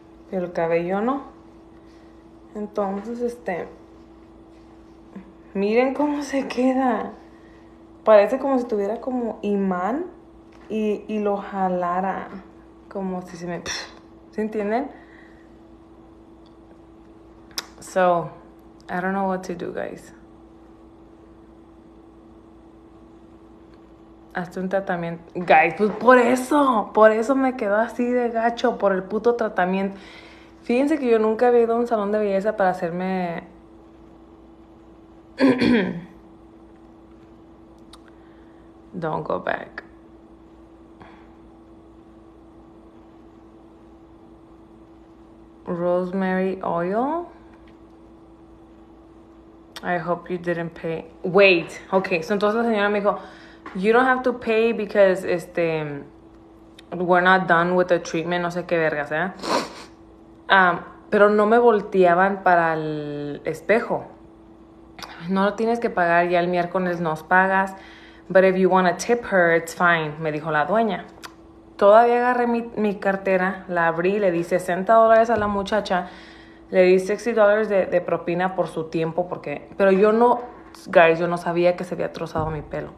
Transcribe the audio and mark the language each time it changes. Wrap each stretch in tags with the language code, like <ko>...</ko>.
<es>El cabello no. Entonces, miren cómo se queda. Parece como si tuviera como imán y lo jalara. Como si se me... ¿Sí entienden?</es> <en>So, I don't know what to do, guys.</en> <es>Hazte un tratamiento. Guys, pues por eso me quedo así de gacho, por el puto tratamiento. Fíjense que yo nunca había ido a un salón de belleza para hacerme...</es> <en>Don't go back. Rosemary oil. I hope you didn't pay. Wait. Okay, so</en> <es>entonces la señora me dijo,</es> <en>"You don't have to pay because we're not done with the treatment."</en> <es>No sé qué verga, pero no me volteaban para el espejo. No lo tienes que pagar, ya el miércoles nos pagas.</es> <en>But if you want to tip her, it's fine,</en> <es>me dijo la dueña. Todavía agarré mi cartera, la abrí, le di $60 a la muchacha, le di $60 de propina por su tiempo, porque, pero yo no, guys, yo no sabía que se había trozado mi pelo.</es>